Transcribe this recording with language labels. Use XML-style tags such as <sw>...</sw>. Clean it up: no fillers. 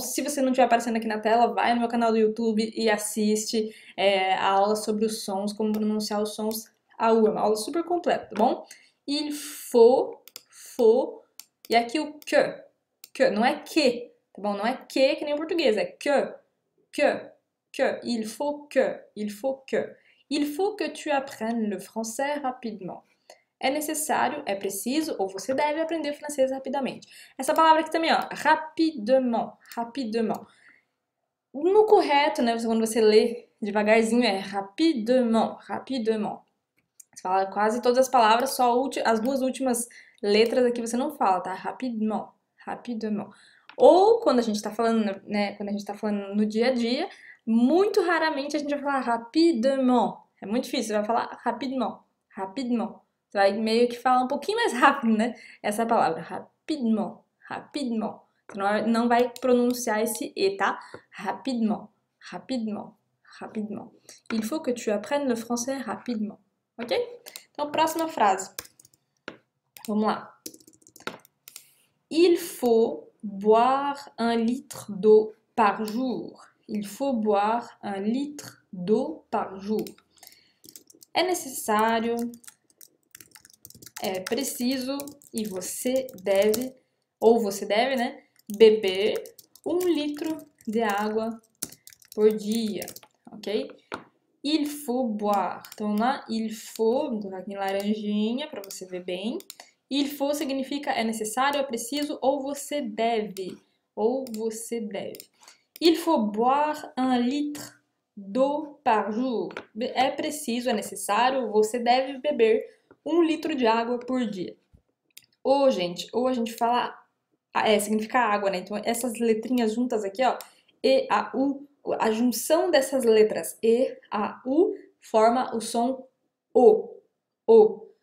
<pt>Se você não estiver aparecendo aqui na tela, vai no meu canal do YouTube e assiste, a aula sobre os sons, como pronunciar os sons é uma aula super completa, tá bom?</pt> <fr>Il faut, faut,</fr> <pt>e aqui o que, não é que, tá bom? Não é que nem em português, é que,</pt> <fr>il faut que. Il faut que tu apprennes le français rapidement.</fr> <pt>É necessário, é preciso, ou você deve aprender francês rapidamente. Essa palavra aqui também, ó, rapidement, rapidement. No correto, né, quando você lê devagarzinho, é rapidement, rapidement. Você fala quase todas as palavras, só as duas últimas letras aqui você não fala, tá? Rapidement, rapidement. Ou quando a gente tá falando, né, quando a gente tá falando no dia a dia, muito raramente a gente vai falar rapidement. É muito difícil, você vai falar rapidement, rapidement. Você vai meio que falar um pouquinho mais rápido, né? Essa palavra, rapidement, rapidement. Você não vai pronunciar esse E, tá?</pt> <fr>Rapidement, rapidement, rapidement. Il faut que tu apprennes le français rapidement.</fr> <pt>Ok? Então, próxima frase. Vamos lá.</pt> <fr>Il faut boire un litre d'eau par jour. Il faut boire un litre d'eau par jour.</fr> <pt>É necessário, é preciso e você deve, ou você deve, né, beber 1 litro de água por dia, ok?</pt> <fr>Il faut boire.</fr> <pt>Então, lá,</pt> <fr>il faut,</fr> <pt>vou colocar aqui em laranjinha para você ver bem.</pt> <fr>Il faut</fr> <pt>significa é necessário, é preciso ou você deve. Ou você deve.</pt> <fr>Il faut boire 1 litre d'eau par jour.</fr> <pt>É preciso, é necessário, você deve beber 1 litro de água por dia. Ou a gente fala, significa água, né? Então, essas letrinhas juntas aqui, ó, E, A, U, a junção dessas letras E, A, U, forma o som O. O.</pt>